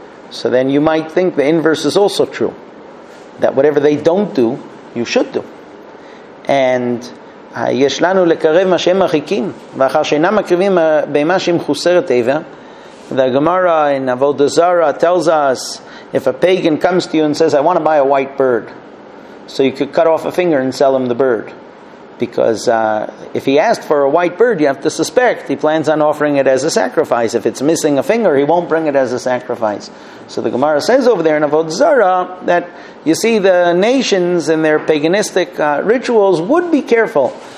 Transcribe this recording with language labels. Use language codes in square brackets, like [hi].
[en] So then you might think the inverse is also true, that whatever they don't do, you should do. [he] And יש לנו לקרב מה שהם מרחיקים ואחר שאינם מקריבים בהמה שהיא מחוסרת עבר. [en] The Gemara in Avodah Zarah tells us, if a pagan comes to you and says, I want to buy a white bird, so you could cut off a finger and sell him the bird. Because if he asked for a white bird, you have to suspect he plans on offering it as a sacrifice. If it's missing a finger, he won't bring it as a sacrifice. So the Gemara says over there in Avodah Zarah that you see the nations in their paganistic rituals would be careful.